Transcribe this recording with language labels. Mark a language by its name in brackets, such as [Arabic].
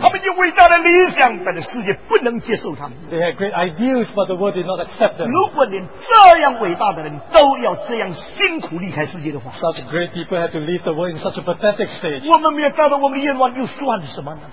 [Chinese] 他们有伟大的理想, 但是世界不能接受他们。 [English] They had great ideals, but the world did not accept them. [Chinese] 如果连这样伟大的人都要这样辛苦离开世界的话, [English] such great people had to leave the world in such a pathetic state. [Chinese] 我们没有达到我们的愿望又算什么呢?